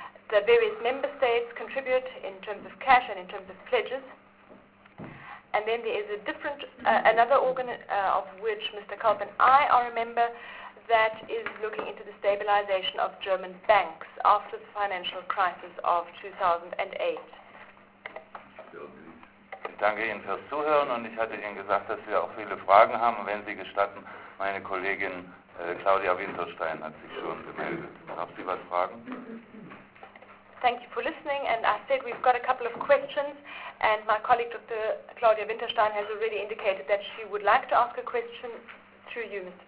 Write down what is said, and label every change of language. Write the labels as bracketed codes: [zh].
[en] The various member states contribute in terms of cash and in terms of pledges. And then there is a different, another organ of which Mr. Kalb and I are a member that is looking into the stabilization of German banks after the financial crisis of 2008. [de] Ich danke Ihnen fürs Zuhören und ich hatte Ihnen gesagt, dass wir auch viele Fragen haben. Wenn Sie gestatten, meine Kollegin Claudia Winterstein hat sich schon gemeldet. Haben Sie was Fragen? [en] Thank you for listening. And I said we've got a couple of questions. And my colleague Dr. Claudia Winterstein has already indicated that she would like to ask a question through you, Mr.